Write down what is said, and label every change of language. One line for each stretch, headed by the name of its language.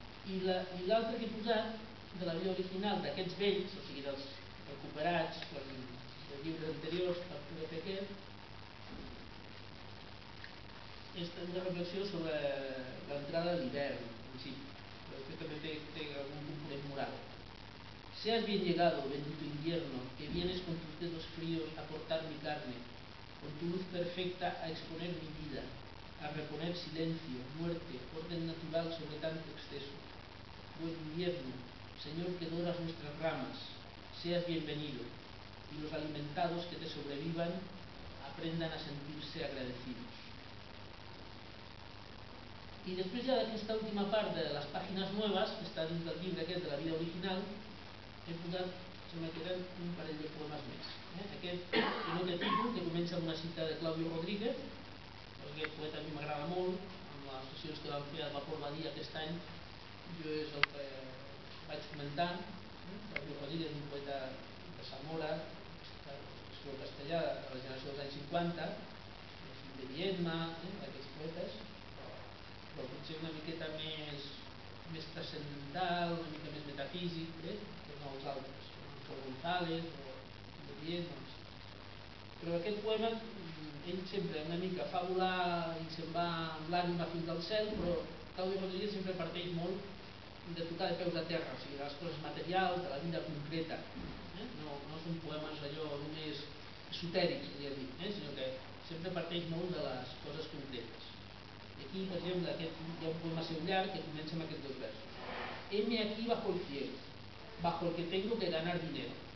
Catalan: I la altra que he posat de la vida original, d'aquests vells, o sigui, dels recuperats dels llibres anteriors per poder fer aquest, és una reflexió sobre l'entrada de l'hivern, en si, però que també té algun component moral.
Spanish: Seas bien llegado, bendito invierno, que vienes con tus dedos fríos a cortar mi carne, con tu luz perfecta a exponer mi vida, a reponer silencio, muerte, orden natural sobre tanto exceso. Buen invierno, Señor que doras nuestras ramas, seas bienvenido, y los alimentados que te sobrevivan aprendan a sentirse agradecidos. Y después ya de esta última parte de las páginas nuevas, que está dentro del libro aquel de la vida original,
Catalan: he posat, se me queden un parell de poemes més. Aquest que no té títol, que comença amb una cita de Claudio Rodríguez, perquè aquest poeta a mi m'agrada molt, amb les sessions que vam fer a Vapor Badia aquest any, jo és el que vaig comentar, Claudio Rodríguez, un poeta de Zamora, escriu castellà de la generació dels anys 50, de Viedma, d'aquests poetes, però potser una miqueta més transcendental, una mica més metafísic, no els altres, o González, o de Vies, doncs. Però aquest poema, ell sempre una mica fa volar i se'n va amb l'ànima fins al cel, però Claudio Rodríguez sempre parteix molt de tocar de peus a terra, o sigui, de les coses materials, de la vida concreta. No són poemes allò només esotèrics, sinó que sempre parteix molt de les coses concretes. I aquí, per exemple, hi ha un poema seu llarg que comença amb aquests dos versos.
Spanish: Heme aquí bajo el cielo, bajo el que tengo que ganar dinero.